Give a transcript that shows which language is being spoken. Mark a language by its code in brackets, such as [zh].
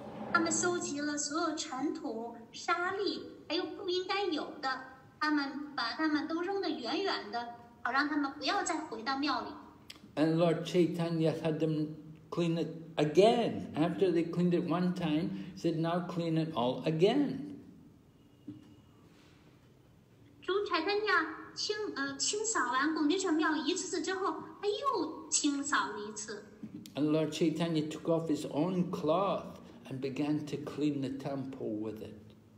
[zh] 他们收集了所有尘土、沙粒，还有不应该有的，他们把他们都扔得远远的，好让他们不要再回到庙里。 [en] And Lord Chaitanya had them clean it again. After they cleaned it one time, he said, "Now clean it all again." [zh] 主柴丹亚清扫完贡丁城庙一次之后，他又清扫了一次。 [en] And Lord Chaitanya took off his own cloth. And began to clean the temple with it.